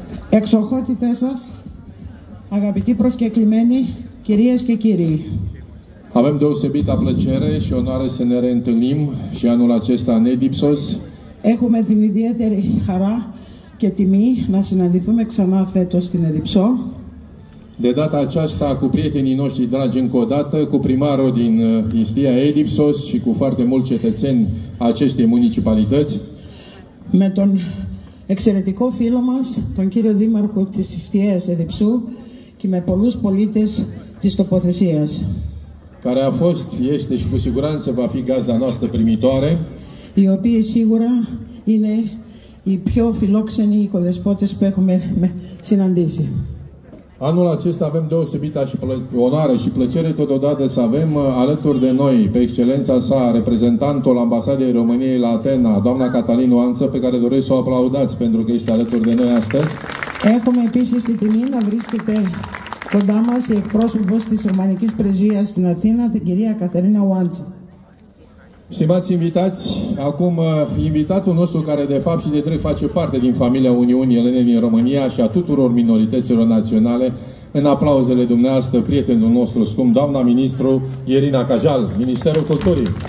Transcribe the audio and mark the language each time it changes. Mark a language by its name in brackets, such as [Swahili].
[Greek] Εξοχότητές σας, αγαπητοί προσκεκλημένοι, κυρίες και κύριοι. [Romanian] Avem deosebită plăcere și onoare să ne reîntâlnim și anul acesta în Edipsos. [Greek] Έχουμε την ιδιαίτερη χαρά και τιμή να συναντηθούμε ξανά φέτος στην Εδιψό. [Romanian] De data aceasta cu prietenii noștri dragi încă o dată, cu primarul din Istria Edipsos și cu foarte mulți cetățeni acestei municipalități. [Greek] Με τον εξαιρετικό φίλο μας, τον κύριο Δήμαρχο της Ιστίας Εδιψού και με πολλούς πολίτες της τοποθεσίας. [Romanian] Care a fost, este și cu siguranță va fi gazda noastră primitoare. [Greek] Οι οποίοι σίγουρα είναι οι πιο φιλόξενοι οικοδεσπότες που έχουμε συναντήσει. [Romanian] Anul acesta avem deosebită și onoare și plăcere totodată să avem alături de noi, pe excelența sa, reprezentantul Ambasadei României la Atena, doamna Catalin Oanță, pe care doresc să o aplaudați pentru că este alături de noi astăzi. [Greek] Έχουμε επίσης την τιμή να βρίσκεται κοντά μας η εκπρόσωπος της Ρουμανικής Πρεσβείας στην Αθήνα, την κυρία Κατερίνα Οάντσα. [Romanian] Stimați invitați, acum invitatul nostru care de fapt și de drept face parte din familia Uniunii Elene din România și a tuturor minorităților naționale, în aplauzele dumneavoastră, prietenul nostru scump, doamna ministru Irina Cajal, Ministerul Culturii.